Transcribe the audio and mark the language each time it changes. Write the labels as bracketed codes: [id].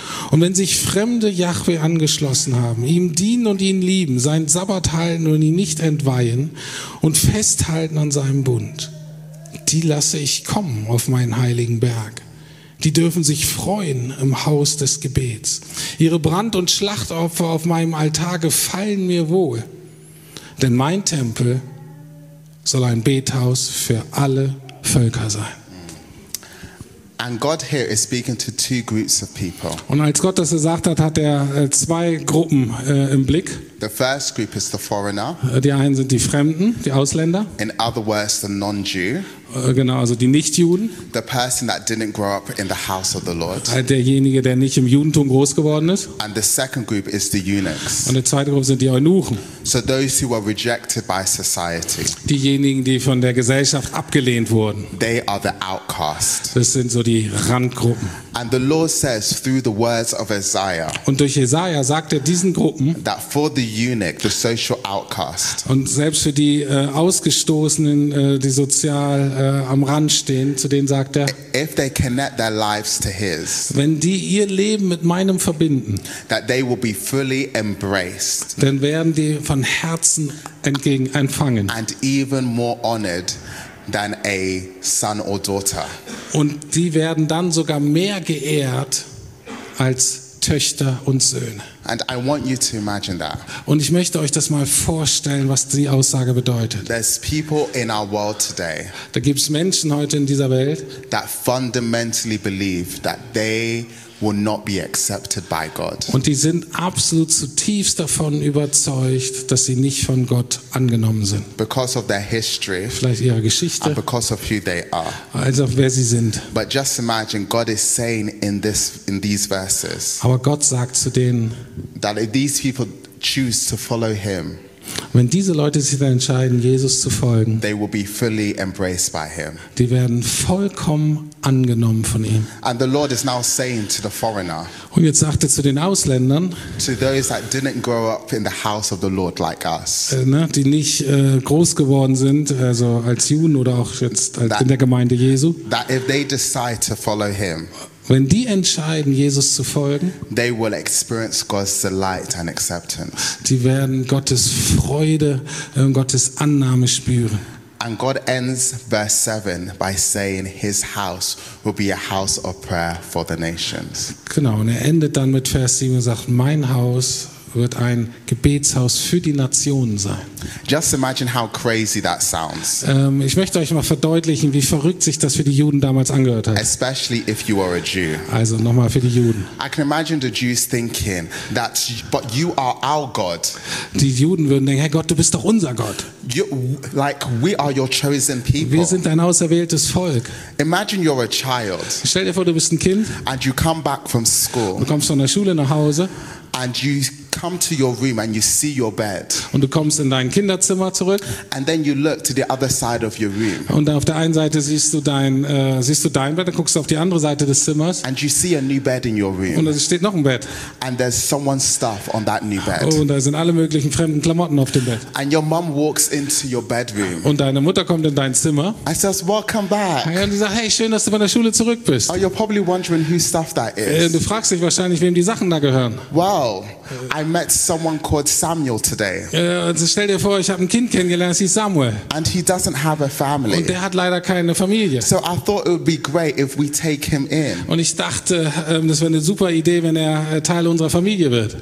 [de] Und wenn sich Fremde Yahweh angeschlossen haben, ihm dienen und ihn lieben, seinen Sabbat halten und ihn nicht entweihen und festhalten an seinem Bund, die lasse ich kommen auf meinen heiligen Berg. Die dürfen sich freuen im Haus des Gebets. Ihre Brand- und Schlachtopfer auf meinem Altar gefallen mir wohl. Denn mein Tempel soll ein Bethaus für alle Völker sein. [en] And God here is speaking to two groups of people. [de] Und als Gott das gesagt hat, hat er zwei Gruppen im Blick. [en] The first group is the foreigner. [de] Die einen sind die Fremden, die Ausländer. [en] In other words, the non-Jew. [de] Genau, also die Nicht-Juden. [en] The person that didn't grow up in the house of the Lord. [de] Derjenige, der nicht im Judentum groß geworden ist. [en] And the second group is the eunuchs. [de] Und die zweite Gruppe sind die Eunuchen. [en] So those who were rejected by society. [de] Diejenigen, die von der Gesellschaft abgelehnt wurden. [en] They are the outcast. [de] Das sind so die Randgruppen. [en] And the Lord says through the words of Isaiah. [de] Und durch Jesaja sagt er diesen Gruppen. [en] That for the eunuch, the social outcast. [de] Und selbst für die Ausgestoßenen, die sozial am Rand stehen, zu denen sagt er, [en] if they connect their lives to his, [de] wenn die ihr Leben mit meinem verbinden, [en] that they will be fully embraced, [de] dann werden die von Herzen entgegen empfangen. [en] And even more honored than a son or daughter. [de] Und die werden dann sogar mehr geehrt als Töchter und Söhne. [en] And I want you to imagine that. [de] Und ich möchte euch das mal vorstellen, was die Aussage bedeutet. [en] There's people in our world today. [de] Da gibt's Menschen heute in dieser Welt, [en] that fundamentally believe that they will not be accepted by God. [de] Und die sind absolut zutiefst davon überzeugt, dass sie nicht von Gott angenommen sind. [en] Because of their history, [de] vielleicht ihre Geschichte, [en] and because of who they are. [de] Also wer sie sind. [en] But just imagine God is saying in these verses. [de] Aber Gott sagt zu denen, [en] that if these people choose to follow him, [de] wenn diese Leute sich dann entscheiden, Jesus zu folgen, [en] they will be fully embraced by him. [de] Die werden vollkommen angenommen von ihm. [en] And the Lord is now saying to the foreigner, [de] und jetzt sagt er zu den Ausländern, [en] to those that didn't grow up in the house of the Lord like us, [de] die nicht groß geworden sind, also als Juden oder auch jetzt in der Gemeinde Jesu, [en] that if they decide to follow him, [de] wenn die entscheiden, Jesus zu folgen, [en] they will experience God's delight and acceptance. [de] Die werden Gottes Freude und Gottes Annahme spüren. [en] And God ends verse 7 by saying his house will be a house of prayer for the nations. [de] Genau, und er endet dann mit Vers 7 und sagt, mein Haus wird ein Gebetshaus für die Nationen sein. [en] Just imagine how crazy that sounds. [de] Ich möchte euch mal verdeutlichen, wie verrückt sich das für die Juden damals angehört hat. [en] Especially if you are a Jew. [de] Also nochmal für die Juden. [en] I can imagine the Jews thinking that, but you are our God. [de] Die Juden würden denken, hey Gott, du bist doch unser Gott. [en] You, like we are your chosen people. [de] Wir sind dein auserwähltes Volk. [en] Imagine you're a child. [de] Stell dir vor, du bist ein Kind. [en] And you come back from school. [de] Du kommst von der Schule nach Hause. [en] And you come to your room and you see your bed. [de] Und du kommst in dein Kinderzimmer zurück. [en] And then you look to the other side of your room. [de] Und dann auf der einen Seite siehst du dein Bett, dann guckst du auf die andere Seite des Zimmers. [en] And you see a new bed in your room. [de] Und da steht noch ein Bett. [en] And there's someone's stuff on that new bed. [de] Und da sind alle möglichen fremden Klamotten auf dem Bett. [en] And your mom walks into your bedroom. [de] Und deine Mutter kommt in dein Zimmer. [en] And says, "Welcome back." [de] Und sie sagt, hey, schön, dass du bei der Schule zurück bist. [en] Oh, you're probably wondering whose stuff that is. [de] Du fragst dich wahrscheinlich, wem die Sachen da gehören. [en] Wow. I met someone called Samuel today. [de] Stell dir vor, ich habe ein Kind kennengelernt, das hieß Samuel. [en] And he doesn't have a family. [de] Und der hat leider keine Familie. [en] So I thought it would be great if we take him in. [de] Und ich dachte, das wäre eine super Idee, wenn er Teil unserer Familie wird.